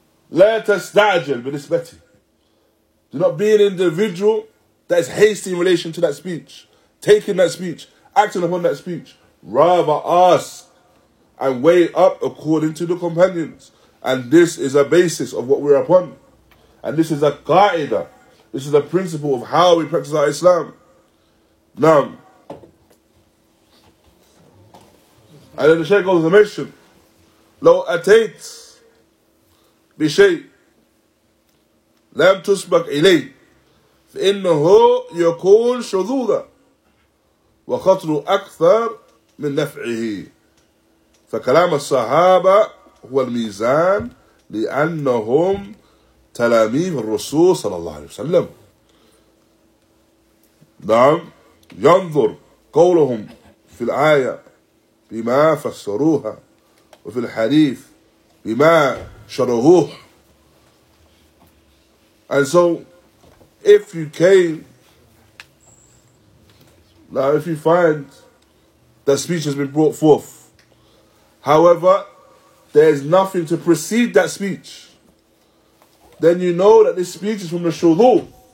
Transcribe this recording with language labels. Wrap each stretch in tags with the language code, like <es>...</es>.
<en>Let us da'ajil with this betty. Do not be an individual that is hasty in relation to that speech, taking that speech, acting upon that speech. Rather ask and weigh up according to the companions. And this is a basis of what we're upon. And this is a qa'ida. This is a principle of how we practice our Islam. Now, and then the Shaykh goes to mention,</en> <ar>لو أتيت بشيء لم تسبق إليه فإنه يكون شذوذا وخطر أكثر من نفعه فكلام الصحابة هو الميزان لأنهم تلاميذ الرسول صلى الله عليه وسلم. نعم ينظر قولهم في الآية بما فسروها وفي الحديث بما شرهوه.</ar> <en>And so if you came, now if you find that speech has been brought forth, however there is nothing to precede that speech, then you know that this speech is from the shudhu.</en>